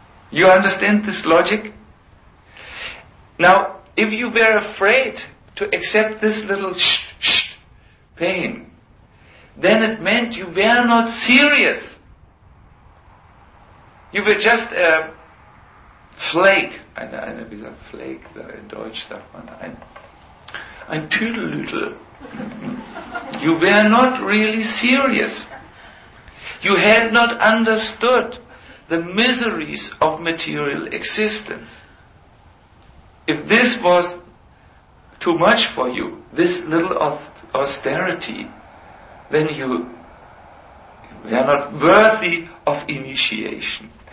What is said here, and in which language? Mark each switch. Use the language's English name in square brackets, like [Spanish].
[English] You understand this logic? Now, if you were afraid to accept this little shh pain, then it meant you were not serious. You were just a flake. [German] Eine wie sagt Flake, in Deutsch sagt man ein Tüdelüdel. [English] You were not really serious. You had not understood the miseries of material existence. If this was too much for you, this little austerity, then you were not worthy of initiation.